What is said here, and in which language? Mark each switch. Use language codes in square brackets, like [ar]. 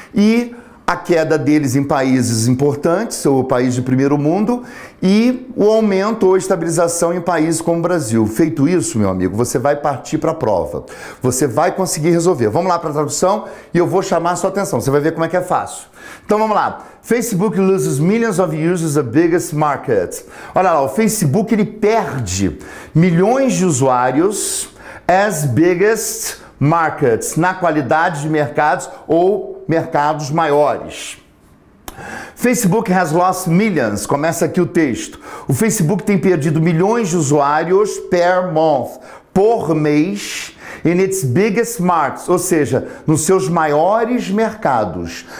[pt] E a queda deles em países importantes, ou país de primeiro mundo, e o aumento ou estabilização em países como o Brasil. Feito isso, meu amigo, você vai partir para a prova. Você vai conseguir resolver. Vamos lá para a tradução e eu vou chamar a sua atenção. Você vai ver como é que é fácil. Então vamos lá. [en] Facebook loses millions of users, the biggest market. [pt] Olha lá, o Facebook ele perde milhões de usuários, [en] as biggest markets, [pt] na qualidade de mercados ou mercados maiores. [en] Facebook has lost millions. [pt] Começa aqui o texto. O Facebook tem perdido milhões de usuários [en] per month, [pt] por mês, [en] in its biggest markets, [pt] ou seja, nos seus maiores mercados.